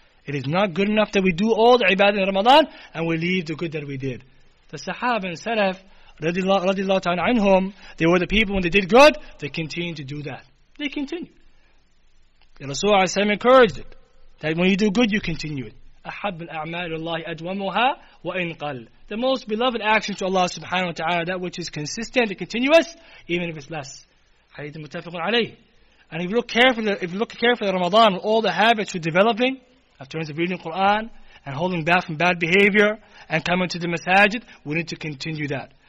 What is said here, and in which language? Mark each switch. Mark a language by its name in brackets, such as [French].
[English] It is not good enough that we do all the ibadah in Ramadan and we leave the good that we did. The Sahaba and Salaf, radiallahu ta'ala anhum, they were the people when they did good, they continued to do that. They continued. The Rasulullah encouraged it. That when you do good, you continue it. [Arabic] أحب الأعمال الله أدومها وإن قل. [English] The most beloved action to Allah subhanahu wa ta'ala, that which is consistent and continuous, even if it's less. [Arabic] حديث متفق عليه. [English] And if you look carefully at Ramadan, all the habits you're developing, in terms of reading Quran and holding back from bad behavior and coming to the masajid, we need to continue that.